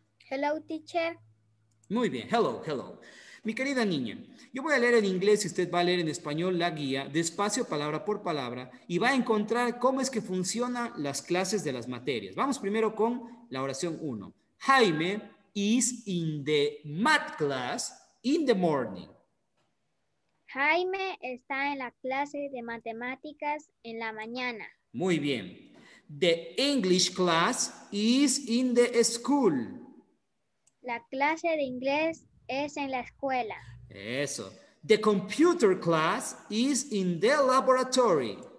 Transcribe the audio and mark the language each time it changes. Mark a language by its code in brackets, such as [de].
[en] Hello, teacher. [es] Muy bien. [en] Hello, hello. [es] Mi querida niña, yo voy a leer en inglés y usted va a leer en español la guía, despacio, palabra por palabra, y va a encontrar cómo es que funcionan las clases de las materias. Vamos primero con la oración 1. [en] Jaime is in the math class in the morning. [es] Jaime está en la clase de matemáticas en la mañana. Muy bien. [en] The English class is in the school. [es] La clase de inglés es en la escuela. [en] Eso. The computer class is in the laboratory.